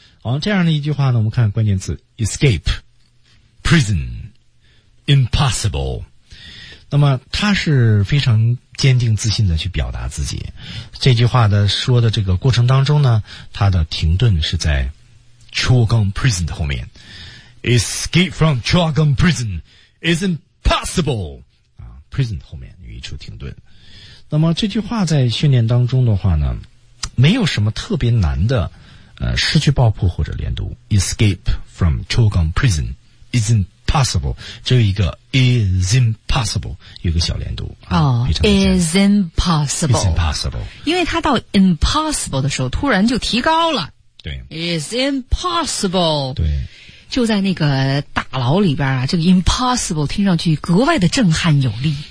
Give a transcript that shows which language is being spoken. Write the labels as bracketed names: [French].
[Chinese] 好，这样的一句话呢，我们看关键词 escape, prison, impossible. 那么他是非常坚定自信的去表达自己。这句话的说的这个过程当中呢，他的停顿是在 Chorgon prison 的后面。 [English] Escape from Chorgon prison is impossible. [Chinese] 啊 ,prison 后面有一处停顿。那么这句话在训练当中的话呢，没有什么特别难的，失去爆破或者连读。 [English] Escape from Chorgon Prison is impossible. [Chinese] 只有一个 [English] is impossible, [Chinese] 有个小连读。 [English] Is impossible. Is impossible. [Chinese] 因为他到 impossible 的时候突然就提高了。对。 [English] Is impossible. [Chinese] 对。就在那个大牢里边啊，这个 impossible 听上去格外的震撼有力。